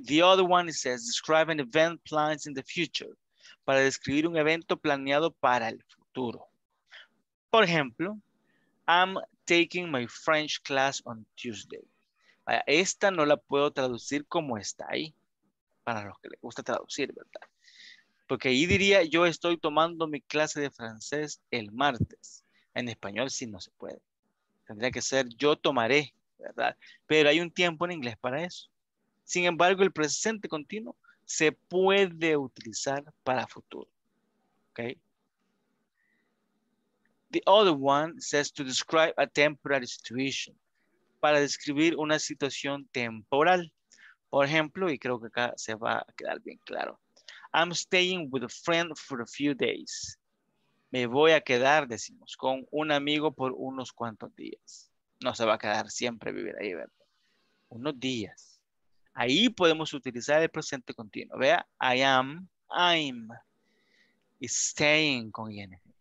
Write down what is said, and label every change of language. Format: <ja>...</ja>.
<en>The other one it says, describe an event plans in the future.</en> <es>Para describir un evento planeado para el futuro.</es> <en>Por ejemplo, I'm taking my French class on Tuesday.</en> <es>Esta no la puedo traducir como está ahí. Para los que les gusta traducir, ¿verdad? Porque ahí diría, yo estoy tomando mi clase de francés el martes. En español sí no se puede. Tendría que ser, yo tomaré, ¿verdad? Pero hay un tiempo en inglés para eso. Sin embargo, el presente continuo se puede utilizar para futuro. ¿Ok?</es> <en>The other one says to describe a temporary situation.</en> <es>Para describir una situación temporal. Por ejemplo, y creo que acá se va a quedar bien claro.</es> <en>I'm staying with a friend for a few days.</en> <es>Me voy a quedar, decimos, con un amigo por unos cuantos días. No se va a quedar siempre a vivir ahí, ¿verdad? Unos días. Ahí podemos utilizar el presente continuo.</es> <en>Vea, I am, I'm staying con ING.</en>